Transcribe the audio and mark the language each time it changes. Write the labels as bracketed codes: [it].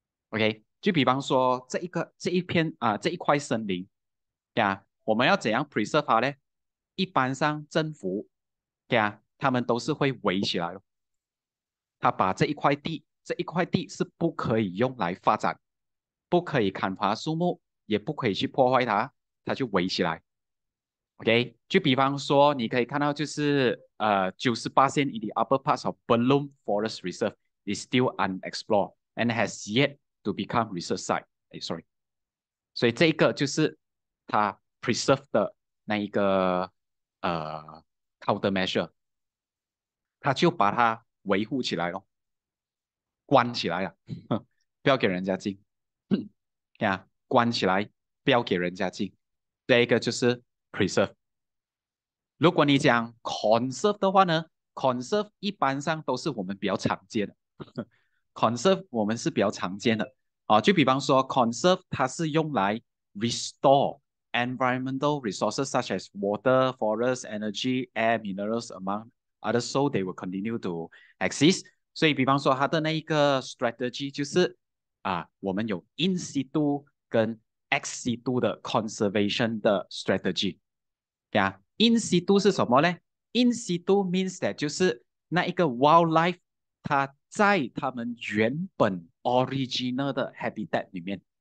[zh] OK，就比方说这一块森林，呀，我们要怎样 preserve 它呢？一般上政府。对啊，他们都是会围起来的。他把这一块地是不可以用来发展，不可以砍伐树木，也不可以去破坏它，他就围起来。 OK，就比方说，你可以看到，就是 [en] 90% in the upper parts of Belum Forest Reserve is still unexplored and has yet to become research site. [zh] 所以这个就是他 preserve 的那一个countermeasure，他就把它维护起来咯，关起来了，不要给人家进，呀，关起来，不要给人家进。第一个就是 preserve。如果你讲 conserve 的话呢，conserve 一般上都是我们比较常见的 conserve 我们是比较常见的啊。就比方说 [en] conserve [zh] 它是用来 [en] restore environmental resources such as water, forests, energy, air, minerals, among others, so they will continue to exist. [zh] 所以，比方说，它的那一个 strategy 就是我们有 in situ 跟 ex situ 的 conservation 的 strategy。对啊，in situ 是什么呢？ [en] in situ means that [zh] 就是那一个 wildlife 它在它们原本 original 的 habitat 里面。